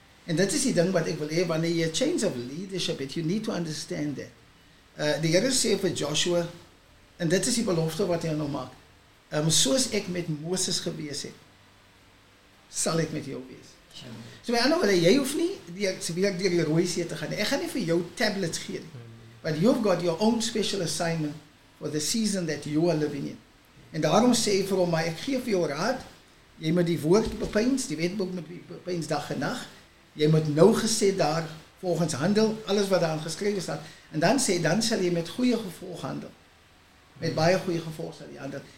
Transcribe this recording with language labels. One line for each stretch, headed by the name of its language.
Afrikaans: En dit is die ding wat ek wil hee, wanneer jy
English: a change of leadership
Afrikaans: het,
English: you need to understand that.
Afrikaans: Die Heere sê vir Joshua, en dit is die belofte wat hy nou maak, soos ek met Moses gewees het, sal ek met jou wees. So my ander wille, jy hoef nie weer die rooie see te gaan. Ek gaan nie vir jou tablet gee nie.
English: But you've got your own special assignment for the season that you are living in.
Afrikaans: En daarom sê vir hom, maar ek gee vir jou raad, jy moet die woord bepeins, die wetboek moet bepeins dag en nacht, jy moet nou gesê daar volgens handel, alles wat daar geskrywe staat, en dan sê, dan sal jy met goeie gevolg handel. Met baie goeie gevolg sal jy handel.